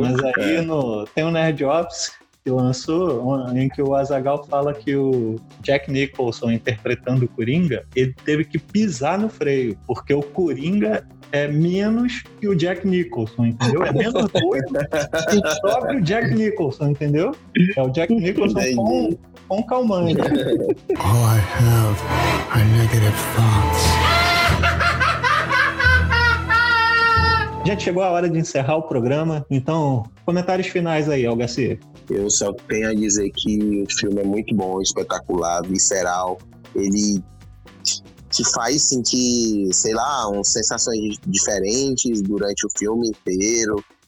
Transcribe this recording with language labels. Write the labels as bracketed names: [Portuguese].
[Portuguese] mas aí tem um Nerd Office que lançou, em que o Azaghal fala que o Jack Nicholson interpretando o Coringa, ele teve que pisar no freio, porque o Coringa é menos que o Jack Nicholson, entendeu? É menos doido que o próprio Jack Nicholson, entendeu? É o Jack Nicholson com calmante. [English] All I have are negative thoughts. [Portuguese] Gente, chegou a hora de encerrar o programa. Então, comentários finais aí, Algaci. Eu só tenho a dizer que o filme é muito bom, espetacular, visceral. Ele te faz sentir, sei lá, umas sensações diferentes durante o filme inteiro.